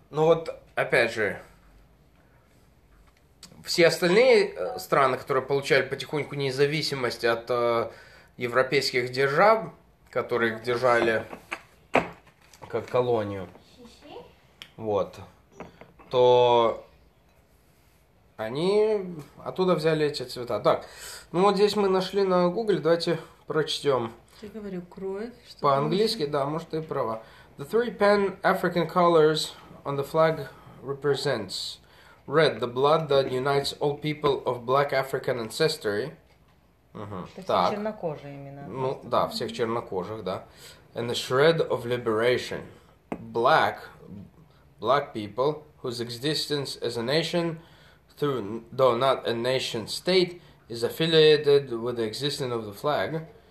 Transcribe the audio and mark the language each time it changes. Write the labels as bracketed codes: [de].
[ru] Ну вот, опять же, все остальные страны, которые получали потихоньку независимость от европейских держав, которые их держали как колонию, вот, то Они оттуда взяли эти цвета. Так, ну вот здесь мы нашли на Google, давайте прочтем. Я говорю, кровь. Что по-английски, да, может, ты права. [en] The three pan African colors on the flag represents red, the blood that unites all people of black African ancestry. [ru] Так. Всех чернокожих именно. Ну, да, всех чернокожих, да. [en] And the shred of liberation. Black people, whose existence as a nation, though not a nation state, is affiliated with the existence of the flag.